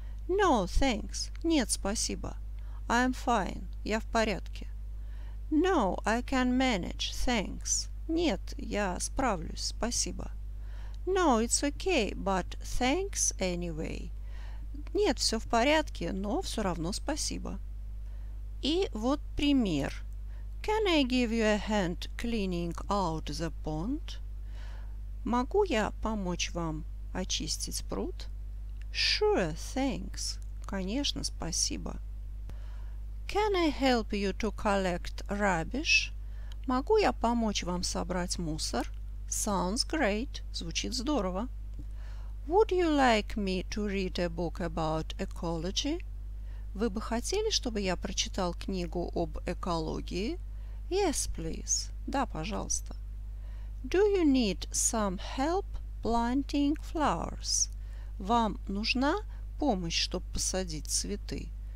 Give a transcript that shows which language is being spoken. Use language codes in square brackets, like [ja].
[en] No, thanks. [ru] Нет, спасибо. [en] I'm fine. [ru] Я в порядке. [en] No, I can manage. Thanks. [ru] Нет, я справлюсь. Спасибо. [en] No, it's okay, but thanks anyway. [ru] Нет, все в порядке, но все равно спасибо. И вот пример. [en] Can I give you a hand cleaning out the pond? [ru] Могу я помочь вам очистить пруд? [en] Sure, thanks. [ru] Конечно, спасибо. [en] Can I help you to collect rubbish? [ru] Могу я помочь вам собрать мусор? [en] Sounds great. [ru] Звучит здорово. [en] Would you like me to read a book about ecology? [ru] Вы бы хотели, чтобы я прочитал книгу об экологии? [en] Yes, please. [ru] Да, пожалуйста. [en] Do you need some help planting flowers? [ru] Вам нужна помощь, чтобы посадить цветы?